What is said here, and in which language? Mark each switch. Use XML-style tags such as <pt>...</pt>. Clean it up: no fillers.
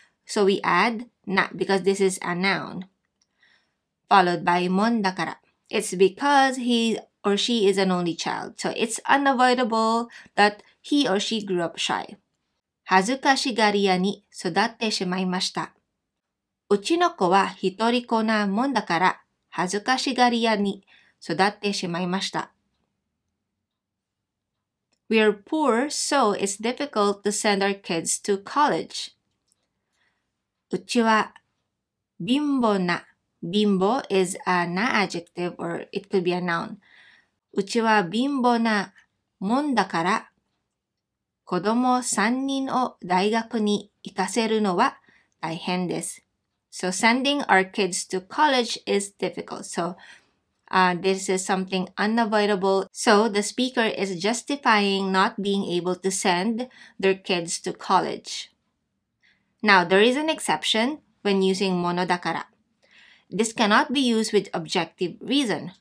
<en>So we add な because this is a noun. Followed by</en> <ja>もんだから.</ja> <en>It's because he or she is an only child. So it's unavoidable that he or she grew up shy.</en> <ja>恥ずかしがり屋に育ってしまいました。うちの子は一人子なもんだから、恥ずかしがり屋に育ってしまいました。</ja> <en>We are poor, so it's difficult to send our kids to college.</en> <ja>うちは貧乏な。</ja> <en>Bimbo is a na adjective or it could be a noun.</en> <ja>うちは貧乏なもんだから、子供3人を大学に行かせるのは大変です。</ja> <en>So sending our kids to college is difficult. So, this is something unavoidable. So the speaker is justifying not being able to send their kids to college. Now, there is an exception when using</en> <ja>ものだから.</ja> <en>This cannot be used with objective reason.</en>